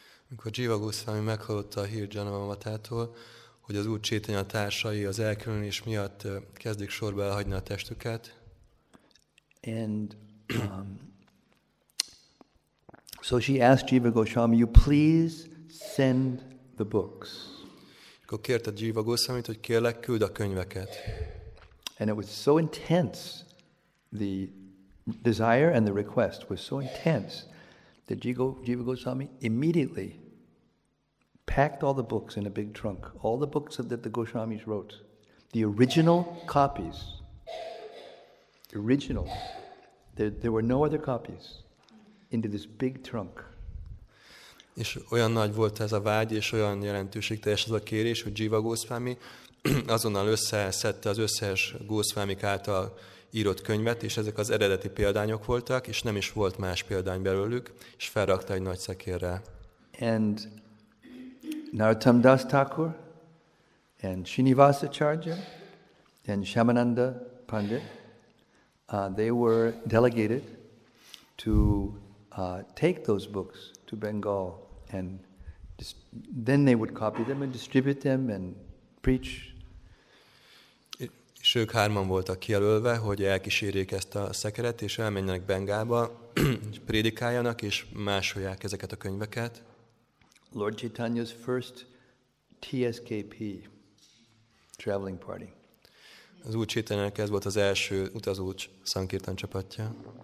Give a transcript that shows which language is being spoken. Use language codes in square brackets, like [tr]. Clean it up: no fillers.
[hu] Amikor Jiva Goswami meghallotta a hír Janavamatától, hogy az Úr Chaitanya társai az elkülönés miatt kezdik sorba elhagyni a testüket. [en] And so she asked Jiva Goswami, "You please send the books." [hu] Akkor kérte Jiva Goswamit, hogy kérlek, küld a könyveket. [en] And it was so intense, the desire and the request was so intense that Jiva Goswami immediately packed all the books in a big trunk, all the books that the Goswamis wrote, the original copies, original. There were no other copies into this big trunk. [hu] És olyan nagy volt ez a vágy, és olyan jelentőség teljes az a kérés, hogy Jiva Goswami azonnal összeszedte az összes Goswamik által írott könyvet, és ezek az eredeti példányok voltak, és nem is volt más példány belőlük, és felrakta egy nagy szekérre. [en] And Narottam Das Thakur, and Srinivasa Acharya, and Shyamananda Pandit, they were delegated to take those books to Bengal, and then they would copy them and distribute them and preach. [hu] És ők hárman voltak kijelölve, hogy elkísérjék ezt a szekeret, és elmenjenek Bengálba, és prédikáljanak, és másolják ezeket a könyveket. [en] Lord Chaitanya's first TSKP, traveling party. [hu] Az Úr Chaitanyának ez volt az első utazócs Sankirtan csapatja.